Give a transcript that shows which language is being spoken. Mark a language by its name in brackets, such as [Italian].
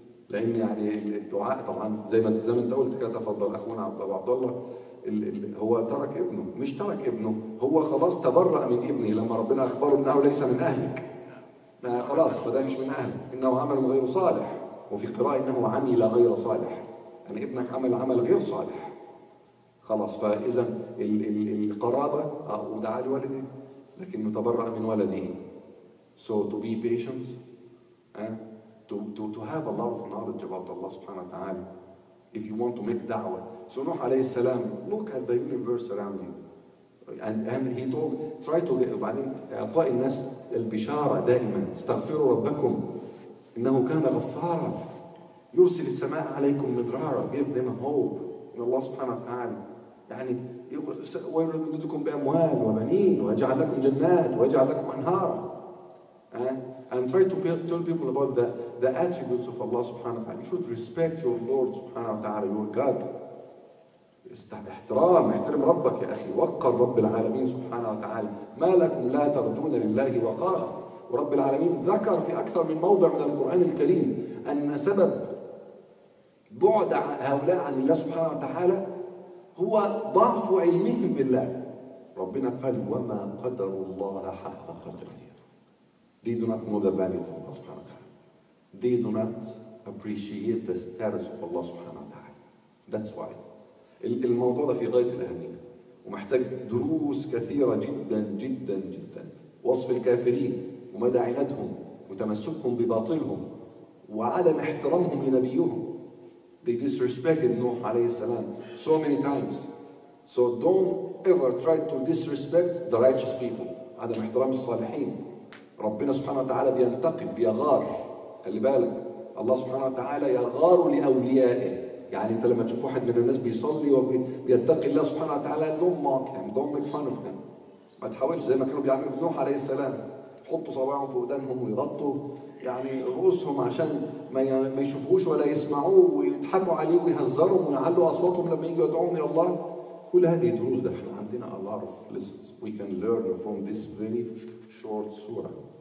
[Arabic] لأن يعني الدعاء طبعاً زي ما أنت قلت كده تفضل أخونا عبد الله هو ترك ابنه مش ترك ابنه هو خلاص تبرأ من ابنه لما ربنا أخبره أنه ليس من أهلك ما خلاص فده مش من أهلك إنه عمل غير صالح وفي قراءة إنه عمل غير صالح يعني ابنك عمل غير صالح خلاص فإذا القرابة ودعا لوالده لكنه تبرأ من ولده [English] so to be patient to have a lot of knowledge about Allah subhanahu wa ta'ala if you want to make da'wah. So Nuh alayhi salam, look at the universe around you. And he told, try to get, [Arabic] بعدين اعطاء الناس البشارة دائما. استغفروا ربكم. إنه كان غفارا. يرسل السماء عليكم مدرارا. [English] Give them hope. من Allah subhanahu wa ta'ala. [Arabic] يعني يقول ويمددكم بأموال وبنين ويجعل لكم جنات ويجعل لكم أنهارا. [English] And try to tell people about the attributes of Allah subhanahu wa ta'ala. You should respect your Lord subhanahu wa ta'ala, your God. [Arabic] احترام احترم ربك يا أخي. وقر رب العالمين سبحانه وتعالى. ما لكم لا ترجون لله وقارا. ورب العالمين ذكر في أكثر من موضع من القرآن الكريم أن سبب بعد هؤلاء عن الله سبحانه وتعالى هو ضعف علمهم بالله. ربنا قال وما قدر الله حق قدره. [English] They do not know the value of Allah subhanahu wa ta'ala. They do not appreciate the status of Allah subhanahu wa ta'ala. That's why. [Arabic] الموضوع ده في غاية الأهمية. ومحتاج دروس كثيرة جدا جدا جدا. وصف الكافرين ومدى عنادهم وتمسكهم بباطلهم وعدم احترامهم لنبيهم. [English] They disrespected Nuh alayhi salam so many times. So don't ever try to disrespect the righteous people. [Arabic] عدم احترام الصالحين. ربنا سبحانه وتعالى بينتقم بيغار خلي بالك الله سبحانه وتعالى يغار لأوليائه يعني انت لما تشوف واحد من الناس بيصلي وبيتقي الله سبحانه وتعالى [English] don't mock him don't make fun of him [Arabic] ما تحاولش زي ما كانوا بيعملوا بنوح عليه السلام يحطوا صباعهم في ودانهم ويغطوا يعني رؤوسهم عشان ما يشوفوش ولا يسمعوه ويضحكوا عليه ويهزروا ويعلوا اصواتهم لما يجوا يدعوهم الى الله كل هذه دروس ده احنا عندنا [English] a lot of lessons we can learn from this very short surah.